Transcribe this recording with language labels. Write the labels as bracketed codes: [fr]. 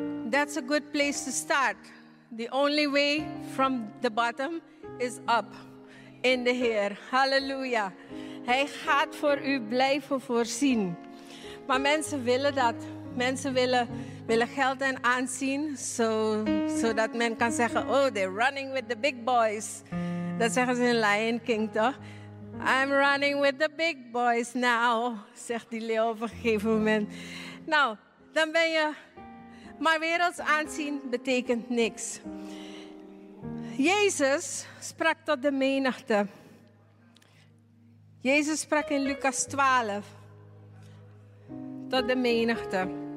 [en] That's a good place to start. The only way from the bottom is up in the Heer. Halleluja. [nl] Hij gaat voor u blijven voorzien. Maar mensen willen dat. Mensen willen geld en aanzien. Zodat men kan zeggen, [en] oh, they're running with the big boys. [nl] Dat zeggen ze in Lion King, toch? [en] I'm running with the big boys now, [nl] zegt die leeuw op een gegeven moment. Nou, dan ben je... Maar werelds aanzien betekent niks. Jezus sprak tot de menigte. Jezus sprak in Lucas 12 tot de menigte.